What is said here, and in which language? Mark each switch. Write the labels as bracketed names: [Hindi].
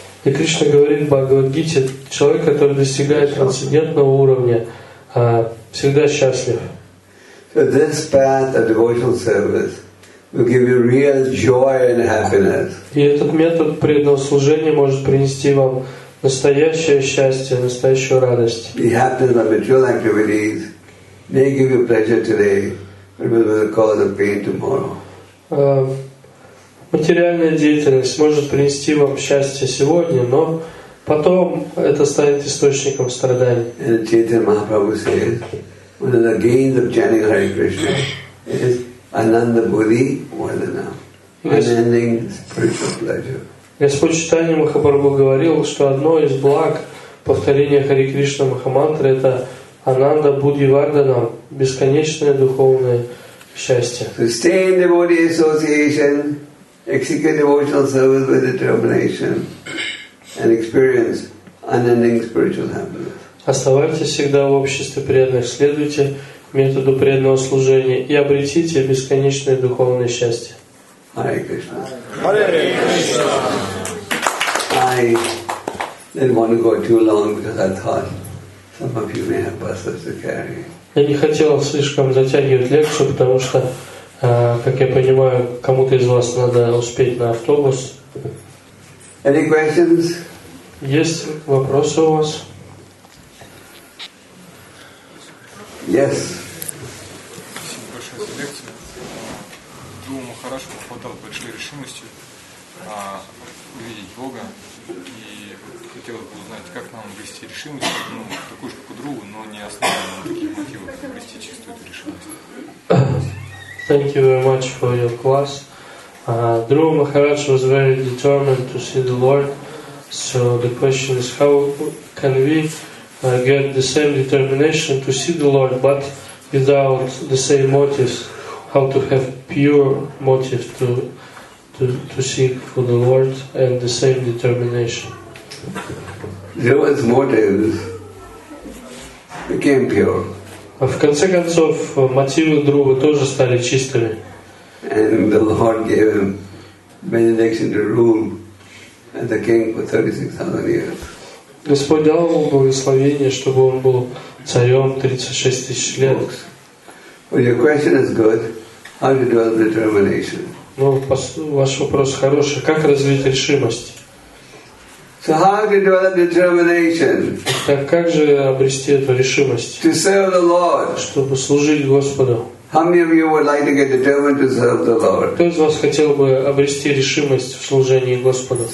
[Russian] И Кришна говорит в Бхагавад-гите, человек, который достигает трансцендентного уровня, всегда счастлив. [English] So this path of devotional service will give you real joy and happiness. [Russian] И этот метод преданного служения может принести вам настоящее счастье, настоящую радость. [English] The happiness of material activities may give you pleasure today, but will be the cause of pain tomorrow. [Russian] Материальная деятельность может принести вам счастье сегодня, но потом это станет источником страданий. [English] And Chaitanya Mahaprabhu says, one of the gains of chanting Hare Krishna is Ananda Buddhi Vardhana, unending spiritual pleasure. [Russian] Господь Чайтанья Махапрабху говорил, что одно из благ повторения Хари Кришна Махамантры это Ананда Буддхи Вардхана, бесконечное духовное счастье. [English] To stay in devotee association, execute devotional service with determination. And experience unending spiritual happiness. [Russian] Оставайтесь всегда в обществе преданных, следуйте методу преданного служения и обретите бесконечное духовное счастье. [English] Hare Krishna. Hare Krishna. I didn't want to go too long because I thought some of you may have buses to carry. [Russian] Я не хотел слишком затягивать лекцию, потому что, как я понимаю, кому-то из вас надо успеть на автобус. [English] Any questions? [Russian] Есть вопросы у вас? [English] Yes. [Russian] Спасибо большое за лекцию. Друва Махарадж похватал большой решимостью увидеть Бога. И хотелось бы узнать, как нам обрести решимость, ну, такую же, как у Друвы, но не основанную на таких мотивах, обрести чистую эту решимость. [English] Thank you very much for your class. Dhruva Maharaj was very determined to see the Lord. So the question is, how can we get the same determination to see the Lord, but without the same motives? How to have pure motive to seek for the Lord and the same determination? Dhruva's motives became pure. [Russian] В конце концов, мотивы Друвы тоже стали чистыми. [English] And the Lord gave him benediction to rule as a king for 36,000 years. [Russian] Господь дал ему благословение, чтобы он был царем 36,000 лет. [English] Well, your question is good. How to develop determination? [Russian] Ваш вопрос хороший. Как развить решимость? [English] So how to develop determination? [Russian] Так как же обрести эту решимость? [English] To serve the Lord. [Russian] Чтобы служить Господу. [English] How many of you would like to get determined to serve the Lord? [Russian] Кто из вас хотел бы обрести решимость в служении Господу?